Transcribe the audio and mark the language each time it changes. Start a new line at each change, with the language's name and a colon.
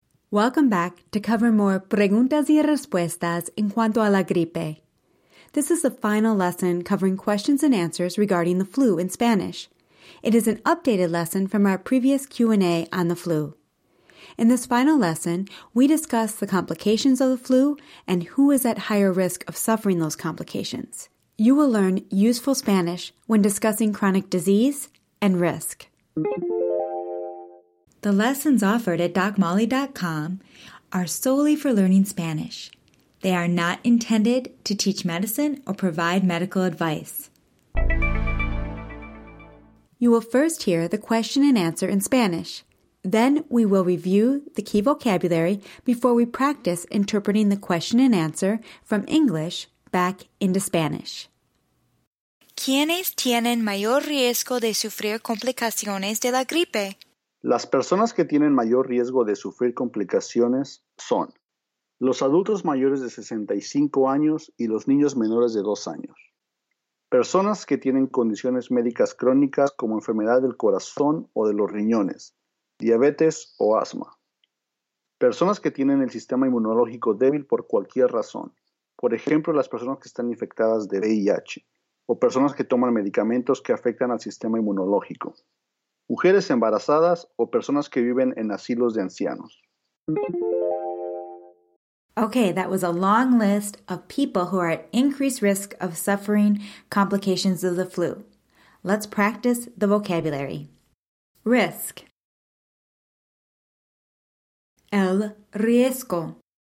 English: Welcome back to cover more
Spanish: preguntas y respuestas en cuanto a la gripe.
English: This is the final lesson covering questions and answers regarding the flu in Spanish. It is an updated lesson from our previous Q&A on the flu. In this final lesson, we discuss the complications of the flu and who is at higher risk of suffering those complications. You will learn useful Spanish when discussing chronic disease and risk. The lessons offered at DocMolly.com are solely for learning Spanish. They are not intended to teach medicine or provide medical advice. You will first hear the question and answer in Spanish. Then we will review the key vocabulary before we practice interpreting the question and answer from English back into Spanish.
Spanish: ¿Quiénes tienen mayor riesgo de sufrir complicaciones de la gripe? Las personas que tienen mayor riesgo de sufrir complicaciones son los adultos mayores de 65 años y los niños menores de 2 años. Personas que tienen condiciones médicas crónicas como enfermedad del corazón o de los riñones, diabetes o asma. Personas que tienen el sistema inmunológico débil por cualquier razón. Por ejemplo, las personas que están infectadas de VIH o personas que toman medicamentos que afectan al sistema inmunológico. Mujeres embarazadas o personas que viven en asilos de ancianos.
English: Okay, that was a long list of people who are at increased risk of suffering complications of the flu. Let's practice the vocabulary. Risk.
Spanish: El riesgo.